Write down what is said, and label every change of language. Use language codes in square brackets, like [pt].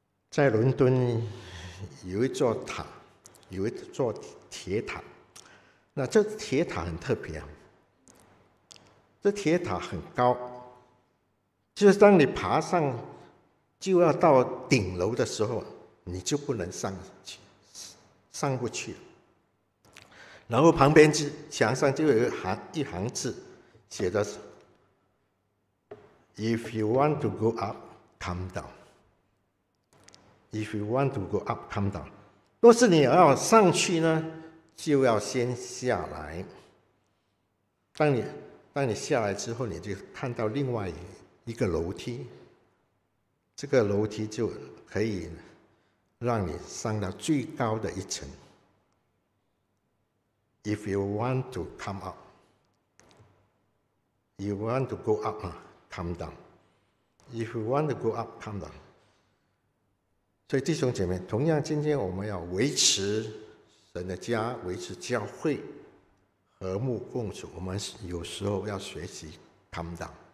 [zh] 在伦敦有一座塔，有一座铁塔。那这铁塔很特别，这铁塔很高，就是当你爬上就要到顶楼的时候，你就不能上去，上不去了。然后旁边墙上就有一行字写的是 [en] If you want to go up, come down. If you want to go up, come down. [zh] 若是你要上去呢，就要先下来。当你下来之后，你就看到另外一个楼梯，这个楼梯就可以让你上到最高的一层。 [en] If you want to come up, you want to go up, come down. If you want to go up, come down. [zh] 所以弟兄姐妹，同样今天我们要维持神的家，维持教会和睦共处，我们有时候要学习 [en] come down。